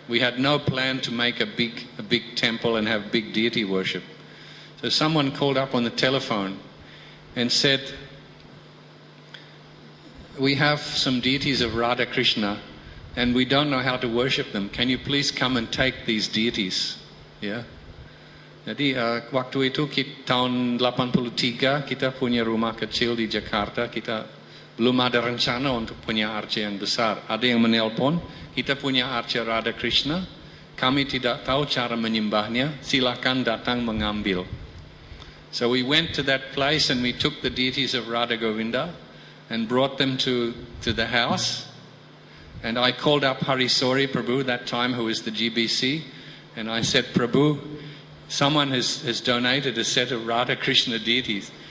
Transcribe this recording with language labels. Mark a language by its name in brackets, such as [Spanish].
[English] We had no plan to make a big temple and have big deity worship. So someone called up on the telephone and said, "We have some deities of Radha Krishna and we don't know how to worship them. Can you please come and take these deities?" Yeah. [Indonesian] Jadi waktu itu tahun 83 kita punya rumah kecil di Jakarta, kita belum ada rencana untuk punya arca yang besar. Ada yang menelpon, kita punya arca Radha Krishna, kami tidak tahu cara menyembahnya, silakan datang mengambil. [English] So we went to that place and we took the deities of Radha Govinda and brought them to the house. And I called up Harisori Prabhu that time, who is the GBC, and I said, "Prabhu, someone has donated a set of Radha Krishna deities."